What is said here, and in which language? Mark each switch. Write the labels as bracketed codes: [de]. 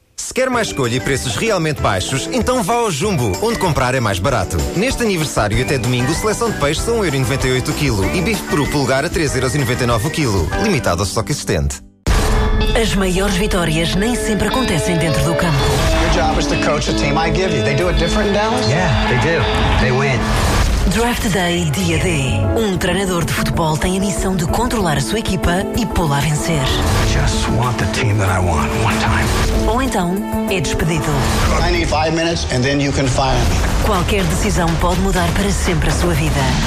[pt] Se quer mais escolha e preços realmente baixos, então vá ao Jumbo, onde comprar é mais barato. Neste aniversário e até domingo, seleção de peixes são 1,98€ o quilo e bife peru polegar a 3,99€ o quilo, limitado ao estoque existente. As maiores vitórias nem sempre acontecem dentro do campo. [en] Your job is to coach a team I give you. They do it different in Dallas? Yeah, they do. They win. [pt] Draft Day, Dia D. Um treinador de futebol tem a missão de controlar a sua equipa e pô-la a vencer. [en] Just want the team that I want one time. [pt] Ou então, é despedido. [en] I need 5 minutes and then you can fire me. [pt] Qualquer decisão pode mudar para sempre a sua vida.